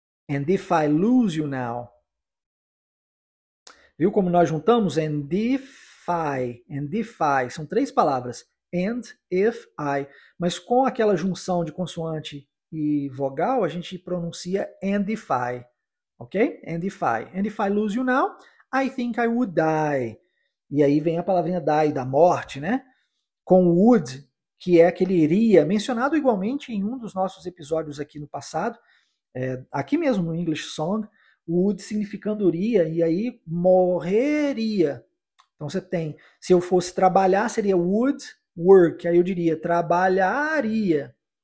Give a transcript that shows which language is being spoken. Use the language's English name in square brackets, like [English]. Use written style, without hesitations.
[English] And if I lose you now. [Portuguese] Viu como nós juntamos? [English] And if I. [Portuguese] São três palavras. [English] And if I. [Portuguese] Mas com aquela junção de consoante e vogal, a gente pronuncia [English] and if I. Ok? And if I. And if I lose you now, I think I would die. [Portuguese] E aí vem a palavrinha die, da morte, né? Com o would, que é aquele iria, mencionado igualmente em um dos nossos episódios aqui no passado, aqui mesmo no English Song, would significando iria, e aí morreria. Então você tem, se eu fosse trabalhar, seria would. Work, aí eu diria trabalharia.